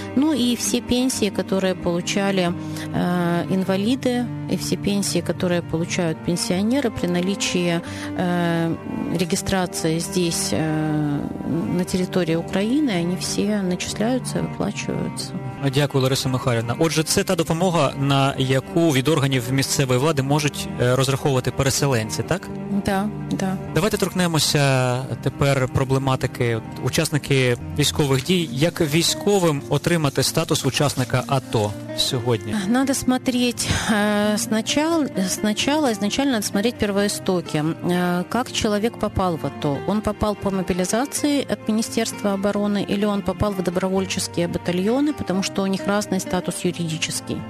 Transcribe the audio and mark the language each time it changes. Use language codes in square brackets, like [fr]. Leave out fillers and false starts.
[ru] И все пенсии, которые получали инвалиды, и все пенсии, которые получают пенсионеры при наличии регистрации здесь, на территории Украины, они все начисляются и выплачиваются. [uk] Дякую, Лариса Михайлівна. Отже, це та допомога, на яку від органів місцевої влади можуть розраховувати переселенці, так? [ru] Да. [uk] Давайте торкнемося тепер проблематики учасники військових дій. Як військовим отримати статус учасника АТО? [ru] сегодня? Надо смотреть сначала надо смотреть первоистоки. Как человек попал в АТО? Он попал по мобилизации от Министерства обороны или он попал в добровольческие батальоны, потому что у них разный статус юридический.